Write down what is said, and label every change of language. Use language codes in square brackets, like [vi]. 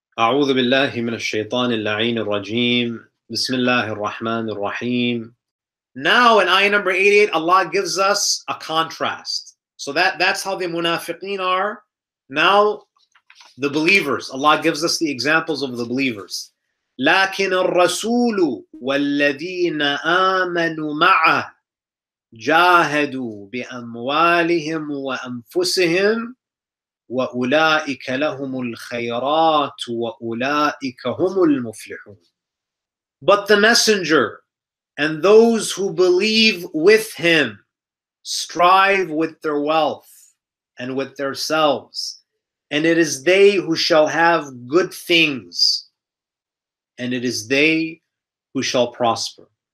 [ar] أعوذ بالله من الشيطان اللعين الرجيم بسم الله الرحمن الرحيم. [en] Now in ayah number 88, Allah gives us a contrast. So that's how the munafiqeen are. Now the believers, Allah gives us the examples of the believers. [ar] لكن الرسول والذين آمنوا معه جاهدوا بأموالهم وأنفسهم وَأُولَٰئِكَ لَهُمُ الْخَيْرَاتُ وَأُولَٰئِكَ هُمُ الْمُفْلِحُونَ. [en] But the messenger and those who believe with him strive with their wealth and with their selves, and it is they who shall have good things, and it is they who shall prosper.